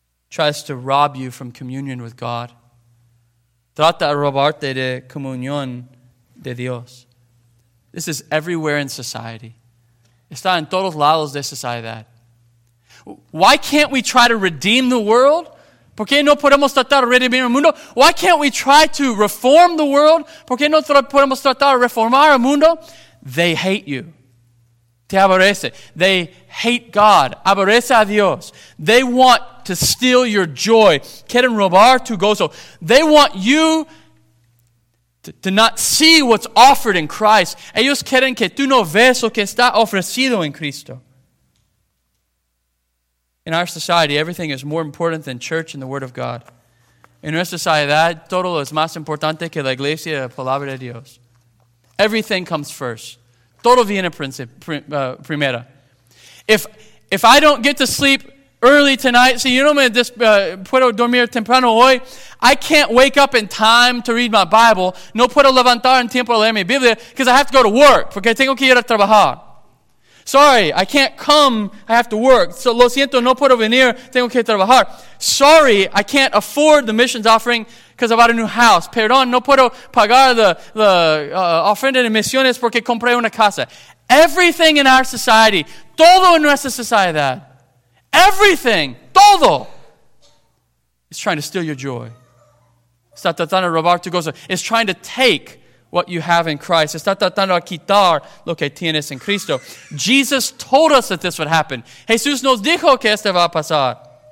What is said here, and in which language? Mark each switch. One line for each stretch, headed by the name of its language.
English: Tries to rob you from communion with God.
Spanish: Trata de robarte de comunión de Dios.
English: This is everywhere in society.
Spanish: Está en todos lados de sociedad.
English: Why can't we try to redeem the world?
Spanish: ¿Por qué no podemos tratar de redimir el mundo?
English: Why can't we try to reform the world?
Spanish: ¿Por qué no podemos tratar de reformar el mundo?
English: They hate you.
Spanish: Te aborrece.
English: They hate God.
Spanish: Aborrece a Dios.
English: They want to steal your joy.
Spanish: Quieren robar tu gozo.
English: They want you to not see what's offered in Christ.
Spanish: Ellos quieren que tú no ves lo que está ofrecido en Cristo.
English: In our society, everything is more important than church and the Word of God.
Spanish: En nuestra sociedad, todo es más importante que la iglesia y la palabra de Dios.
English: Everything comes first.
Spanish: Todo viene primero.
English: If I don't get to sleep early tonight,
Spanish: si yo no me puedo dormir temprano hoy,
English: I can't wake up in time to read my Bible.
Spanish: No puedo levantar en tiempo a leer mi Biblia
English: because I have to go to work
Spanish: porque tengo que ir a trabajar.
English: Sorry, I can't come. I have to work. So
Spanish: lo siento, no puedo venir. Tengo que trabajar.
English: Sorry, I can't afford the missions offering because I bought a new house.
Spanish: Perdón, no puedo pagar the ofrenda de misiones porque compré una casa.
English: Everything in our society,
Spanish: todo en nuestra sociedad,
English: everything,
Spanish: todo,
English: is trying to steal your joy.
Spanish: Está tratando de robar tu gozo.
English: It's trying to take what you have in Christ.
Spanish: Está tratando de quitar lo que tienes en Cristo.
English: Jesus told us that this would happen.
Spanish: Jesús nos dijo que esto va a pasar.